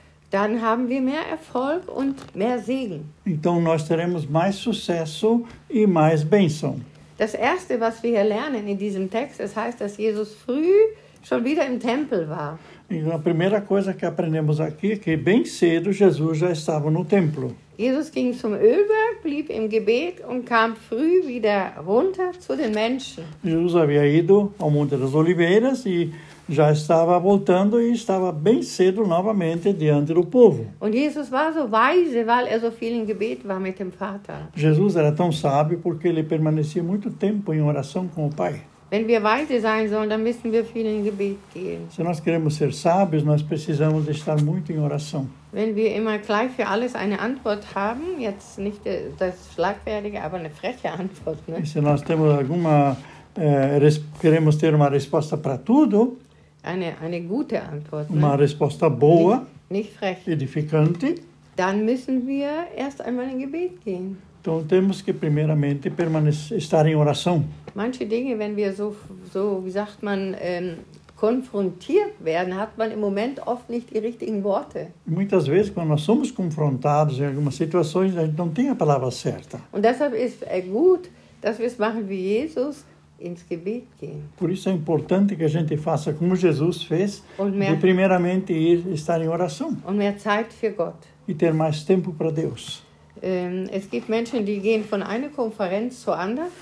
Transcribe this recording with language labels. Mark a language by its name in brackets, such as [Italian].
[German] Dann haben wir mehr Erfolg und mehr Segen. [Portuguese] Então nós teremos mais sucesso e mais bênção. [German] Das erste, was wir hier lernen in diesem Text, es heißt, dass Jesus früh schon wieder im Tempel war. [Portuguese] Então a primeira coisa que aprendemos aqui é que bem cedo Jesus já estava no templo. [German] Jesus ging zum Ölberg, blieb im Gebet und kam früh wieder runter zu den Menschen. [Portuguese] Jesus havia ido ao Monte das Oliveiras e já estava voltando e estava bem cedo novamente diante do povo. [German] Und Jesus war so weise, weil er so viel im Gebet war mit dem Vater. [Portuguese] Jesus era tão sábio porque ele permanecia muito tempo em oração com o Pai. [German] Wenn wir weise sein sollen, dann müssen wir viel in Gebet gehen. [Portuguese] Se nós queremos ser sábios, nós precisamos estar muito em oração. [German] Wenn wir immer gleich für alles eine Antwort haben, jetzt nicht das schlagfertige, aber eine freche Antwort, ne? [Portuguese] Se nós temos alguma queremos ter uma resposta para tudo, [German] eine gute Antwort, [Portuguese] uma resposta boa, [German] nicht frech, [Portuguese] edificante, [German] dann müssen wir erst einmal in Gebet gehen. [Portuguese] Então temos que primeiramente permanecer, estar em oração. [German] Manche Dinge, wenn wir so wie sagt man, konfrontiert werden, hat man im Moment oft nicht die richtigen Worte. [Portuguese] Muitas vezes, quando nós somos confrontados em algumas situações, a gente não tem a palavra certa. [German] Und deshalb ist es gut, dass wir es machen wie Jesus, ins Gebet gehen. [Portuguese] Por isso é importante que a gente faça como Jesus fez, de primeiramente ir estar em oração. [German] Und mehr Zeit für Gott. [Portuguese] E ter mais tempo para Deus. [German] Es gibt Menschen, die gehen von einer Konferenz zur anderen.